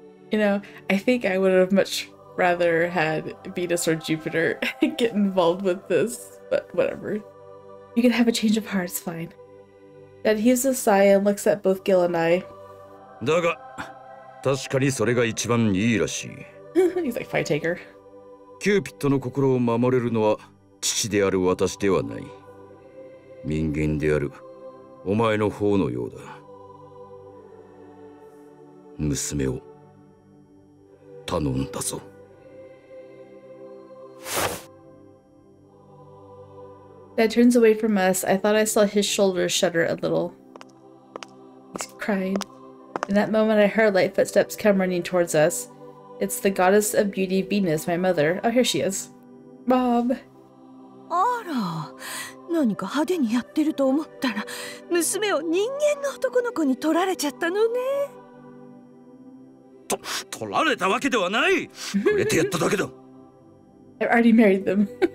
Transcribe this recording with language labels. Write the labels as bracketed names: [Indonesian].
[English] You know, I think I would have much... rather had Venus or Jupiter get involved with this, but whatever. You can have a change of heart, it's fine. Dad heaves a sigh and looks at both Gil and I. [Japanese] だが、確かにそれが一番いいらしい。 [English] He's like, fine, take her. [Japanese] キューピッドの心を守れるのは父である私ではない。人間であるお前の方のようだ。娘を頼んだぞ。 [English] Dad turns away from us. I thought I saw his shoulders shudder a little. He's crying. In that moment, I heard light footsteps come running towards us. It's the goddess of beauty, Venus, my mother. Oh, here she is. Mom. [Japanese] Ara, 何か派手にやってると思ったら、娘を人間の男の子に取られちゃったのね。取られたわけではない。くれてやっただけだ。 [English] I already married them.